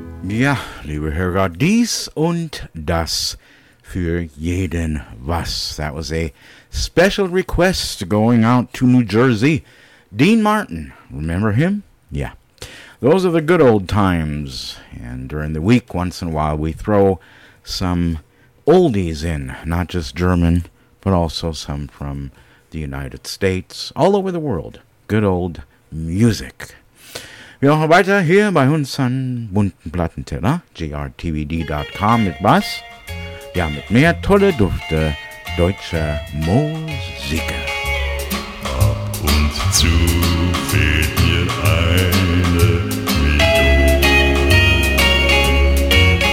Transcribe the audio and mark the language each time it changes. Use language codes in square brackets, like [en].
[de] Ja, liebe Hörer, dies und das für jeden was. [en] That was a special request going out to New Jersey. Dean Martin, remember him? Yeah. Those are the good old times. And during the week, once in a while, we throw some oldies in. Not just German, but also some from the United States. All over the world. Good old music. [de] Wir machen weiter hier bei uns an bunten Plattenteller, grtvd.com mit was? Ja, mit mehr tolle Dufte deutscher Musiker. Ab und zu fehlt mir eine Melodie.